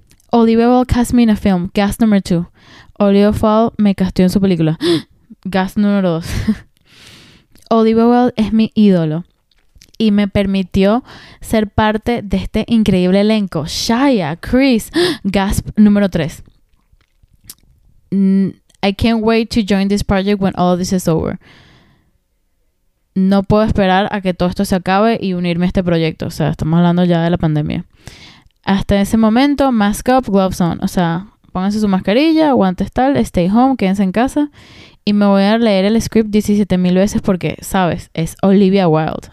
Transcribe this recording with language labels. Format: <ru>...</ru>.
<en>Olivia Wilde cast me in a film. Gasp number two.</en> <es>Olivia Wilde me castió en su película. Gasp número dos. Olivia Wilde es mi ídolo. Y me permitió ser parte de este increíble elenco. Shia, Chris. Gasp número tres.</es> <en>I can't wait to join this project when all of this is over.</en> <es>No puedo esperar a que todo esto se acabe y unirme a este proyecto. O sea, estamos hablando ya de la pandemia. Hasta ese momento,</es> <en>mask up, gloves on.</en> <es>O sea, pónganse su mascarilla, guantes tal,</es> <en>stay home,</en> <es>quédense en casa. Y me voy a leer el script 17,000 veces porque, sabes, es Olivia Wilde.</es>